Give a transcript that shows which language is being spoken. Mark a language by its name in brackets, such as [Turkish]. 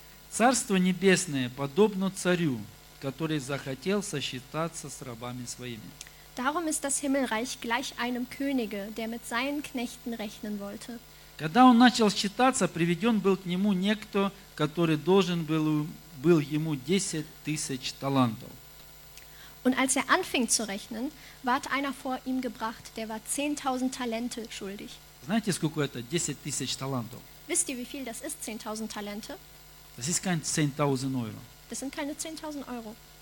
[Russian] Царство небесное подобно царю, который захотел сосчитаться с рабами своими. [German] Darum ist das Himmelreich gleich einem Könige, der mit seinen Knechten rechnen wollte. [Russian] Когда он начал считаться, приведен был к нему некто, который должен был ему 10 000 талантов. [German] Und als er anfing zu rechnen, ward einer vor ihm gebracht, der war 10.000 Talente schuldig. [Russian] Знаете, сколько это? 10 000 талантов. [German] Wisst ihr, wie viel das ist, 10.000 Talente? Das ist kein 10.000 Euro. Das sind keine 10.000 Euro.